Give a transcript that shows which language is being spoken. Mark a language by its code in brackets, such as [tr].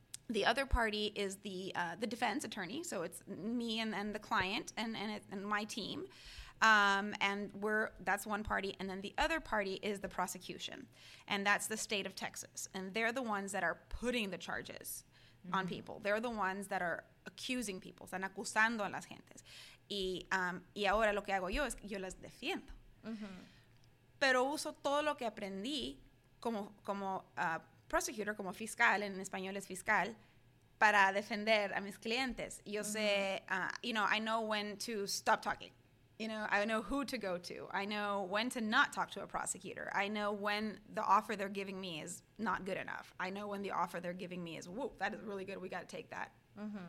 [en] The other party is the defense attorney, so it's me and the client and my team, and that's one party. And then the other party is the prosecution, and that's the state of Texas, and they're the ones that are putting the charges mm-hmm. on people. They're the ones that are accusing people, [es] están acusando a las gentes. Y ahora lo que hago yo es yo las defiendo. Mm-hmm. Pero uso todo lo que aprendí como prosecutor, como fiscal, en español es fiscal, para defender a mis clientes. Yo mm-hmm. sé, [en] you know, I know when to stop talking. You know, I know who to go to. I know when to not talk to a prosecutor. I know when the offer they're giving me is not good enough. I know when the offer they're giving me is, whoa, that is really good. We got to take that mm-hmm.